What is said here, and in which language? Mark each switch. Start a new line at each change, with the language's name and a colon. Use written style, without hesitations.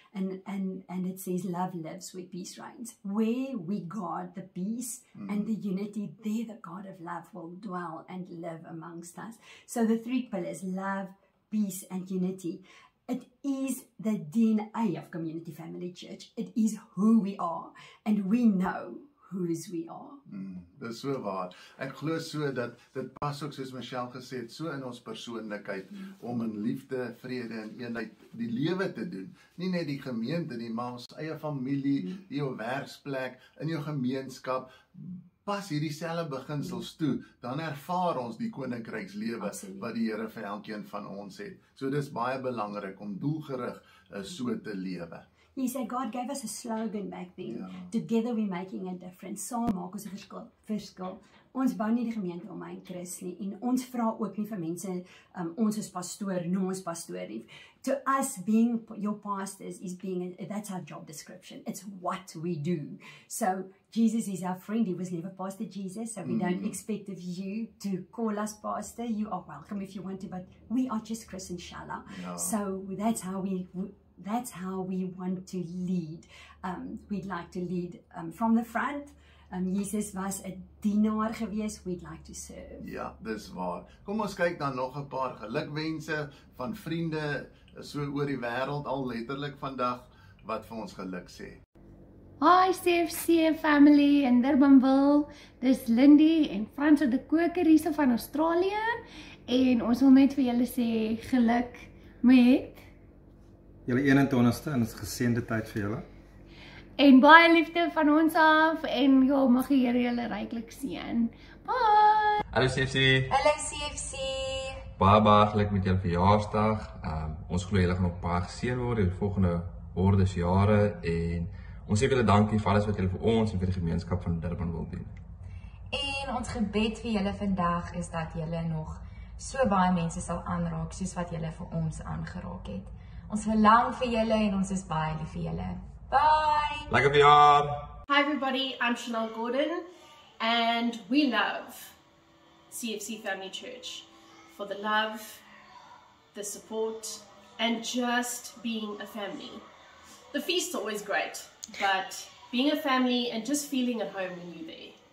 English: And it says, "Love lives where peace reigns." Where we guard the peace and the unity, there the God of love will dwell and live amongst us. So the 3 pillars, love, peace, and unity. It is the DNA of Community Family Church. It is who we are, and we know whose we are.
Afrikaans: Dis so waar. Ek glo so dat dit pas ook, soos Michelle gesê het, so in ons persoonlikheid om in liefde, vrede en eenheid die lewe te doen. Nie net die gemeente nie, maar ons eie familie, jou werksplek, in jou gemeenskap. Pas hierdie selfde beginsels toe, dan ervaar ons die koninkrykslewe wat die Here vir elkeen van ons het. So dis baie belangrik om doelgerig so te lewe.
English: He said, God gave us a slogan back then. Yeah. Together we're making a difference.
Afrikaans: So maak ons 'n verskil. Ons bou nie die gemeente om my en Chris nie. En ons vra ook nie vir mense, ons is pastoor, noem ons pastoor nie.
English: To us, being your pastors is being, that's our job description. It's what we do. So Jesus is our friend. He was never Pastor Jesus. So we don't expect of you to call us pastor. You are welcome if you want to. But we are just Chris and Shala. Yeah. So that's how we want to lead. We'd like to lead from the front.
Afrikaans: Jesus was 'n dienaar gewees.
English: We'd like to serve.
Afrikaans: Ja, dis waar. Kom ons kyk dan nog 'n paar gelukwense van vriende so oor die wêreld al letterlik vandag wat vir ons geluk sê. Hi CFC family in Durbanville. Dis Lindy en Frans de Koker hierso van Australië en ons wil net vir julle sê geluk met julle 21ste en ons geseënde tyd vir julle. En baie liefde van ons af en ja, mag die Here julle ryklik seën. Bye. Hallo CFC. Hallo CFC. Baba, geluk met julle verjaarsdag. Ons glo julle gaan op baie geseën word in die volgende hordes jare en ons sê julle dankie vir alles wat julle vir ons en vir die gemeenskap van Durban wil doen. En ons gebed vir julle vandag is dat julle nog so baie mense sal aanraak soos wat julle vir ons aangeraak het. Ons verlang vir julle en ons is baie lief vir julle. Bye.
English: Like a VR. Hi everybody, I'm Chanel Gordon and we love CFC Family Church for the love, the support, and just being a family. The feast's always great, but being a family and just feeling at home when you're there.